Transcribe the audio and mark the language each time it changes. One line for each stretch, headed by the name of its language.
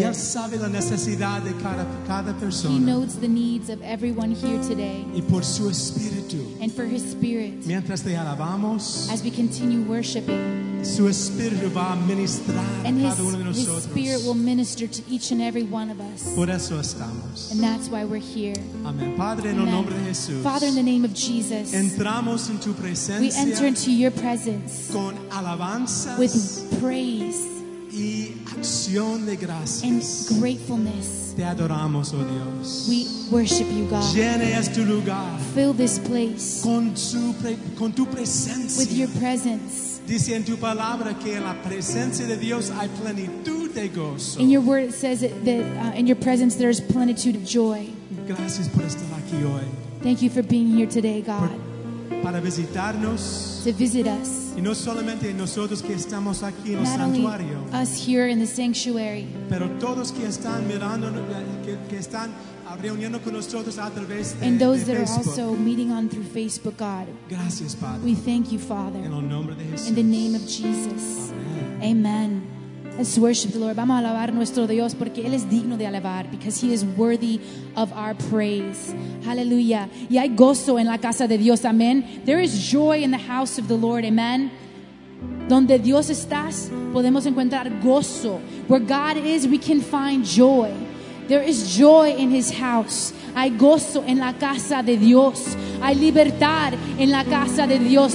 Spanish: Y él sabe la necesidad de cada persona.
English: He knows the needs of everyone here today.
Spanish: Y por su espíritu,
English: and for his spirit,
Spanish: mientras te alabamos,
English: as we continue worshiping,
Spanish: su espíritu va a ministrar
English: and
Spanish: a cada uno de nosotros.
English: His spirit will minister to each and every one of us.
Spanish: Por eso estamos.
English: And that's why we're here.
Spanish: Amén. Padre, en el nombre de Jesús.
English: Father, in the name of Jesus.
Spanish: Entramos en tu presencia.
English: We enter into your presence.
Spanish: Con alabanzas.
English: With praise.
Spanish: Y acción de gracias.
English: And gratefulness.
Spanish: Te adoramos, oh Dios.
English: We worship you, God.
Spanish: Llene este lugar.
English: Fill this place.
Spanish: Con tu presencia.
English: With your presence.
Spanish: Dice en tu palabra que en la presencia de Dios hay plenitud de gozo.
English: In your word it says that in your presence there is plenitude of joy.
Spanish: Gracias por estar aquí hoy.
English: Thank you for being here today, God.
Spanish: Para visitarnos.
English: To visit us.
Spanish: Y no solamente nosotros que estamos aquí en el
English: Not
Spanish: santuario.
English: Only us here in the sanctuary.
Spanish: Pero todos que están mirando, que están reuniendo con nosotros a través de
English: and those that Facebook. Are also meeting on through Facebook, God.
Spanish: Gracias, Padre.
English: We thank you, Father.
Spanish: En el nombre de Jesús.
English: In the name of Jesus. Amen. Amen. Let's worship the Lord.
Spanish: Vamos a alabar nuestro Dios porque Él es digno de alabar,
English: because He is worthy of our praise. Hallelujah.
Spanish: Y hay gozo en la casa de Dios.
English: Amen. There is joy in the house of the Lord.
Spanish: Amen. Donde Dios estás, podemos encontrar gozo.
English: Where God is, we can find joy. There is joy in His house.
Spanish: Hay gozo en la casa de Dios. Hay libertad en la casa de Dios.